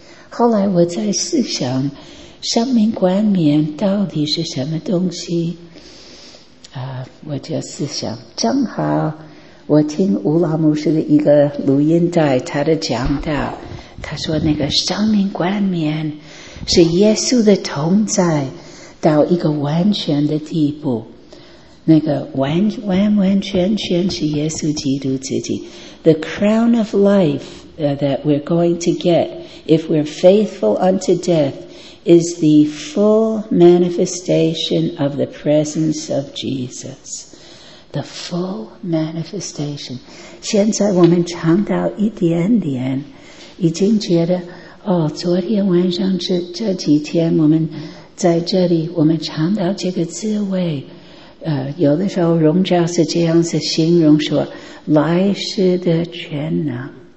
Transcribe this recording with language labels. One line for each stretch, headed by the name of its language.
Chinese: 后来我在思想生命冠冕到底是什么东西，我就思想，正好我听吴老牧师的一个录音带，他的讲道，他说那个生命冠冕是耶稣的同在到一个完全的地步，那个完完全全是耶稣基督自己。
English: The crown of life that we're going to get if we're faithful unto death is the full manifestation of the presence of Jesus. The full manifestation.
Chinese: 现在我们尝到一点点，已经觉得哦，昨天晚上这几天我们在这里，我们尝到这个滋味。有的时候荣教是这样子形容说，来世的全能。